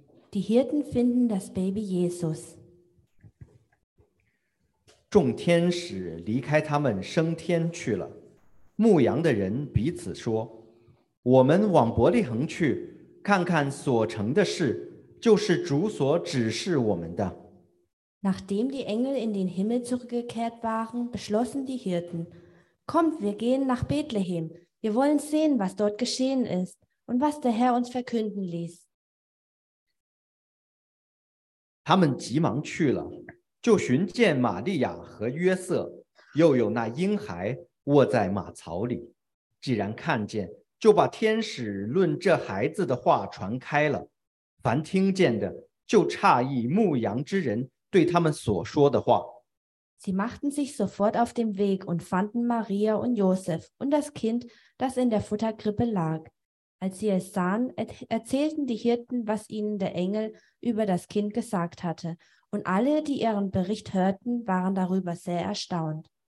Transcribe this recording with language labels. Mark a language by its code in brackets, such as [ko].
[de] Die Hirten finden das Baby Jesus. [zh] 众天使离开他们升天去了。牧羊的人彼此说：“我们往伯利恒去，看看所成的事，就是主所指示我们的。” [de] Nachdem die Engel in den Himmel zurückgekehrt waren, beschlossen die Hirten: "Kommt, wir gehen nach Bethlehem. Wir wollen sehen, was dort geschehen ist." Und was der Herr uns verkünden ließ. [zh] 他们急忙去了，就寻见玛利亚和约瑟，又有那婴孩卧在马槽里。既然看见，就把天使论这孩子的话传开了。凡听见的，就诧异牧羊之人对他们所说的话。 [de] Sie machten sich sofort auf den Weg und fanden Maria und Josef und das Kind, das in der Futterkrippe lag. Als sie es sahen, erzählten die Hirten, was ihnen der Engel über das Kind gesagt hatte. Und alle, die ihren Bericht hörten, waren darüber sehr erstaunt.